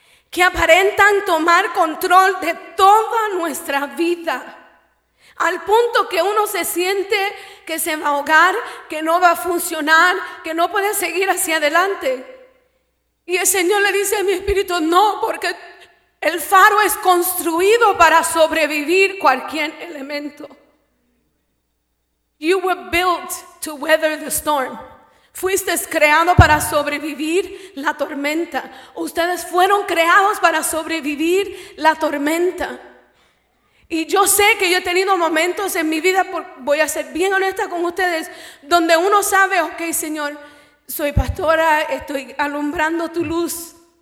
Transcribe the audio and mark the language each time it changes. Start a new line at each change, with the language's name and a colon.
Spanish: que aparentan tomar control de toda nuestra vida, al punto que uno se siente que se va a ahogar, que no va a funcionar, que no puede seguir hacia adelante. Y el Señor le dice a mi espíritu, no, porque el faro es construido para sobrevivir cualquier elemento.
English: You were built to weather the storm.
Spanish: Fuiste creado para sobrevivir la tormenta. Ustedes fueron creados para sobrevivir la tormenta. Y yo sé que yo he tenido momentos en mi vida, voy a ser bien honesta con ustedes, donde uno sabe, ok, Señor, soy pastora, estoy alumbrando tu luz.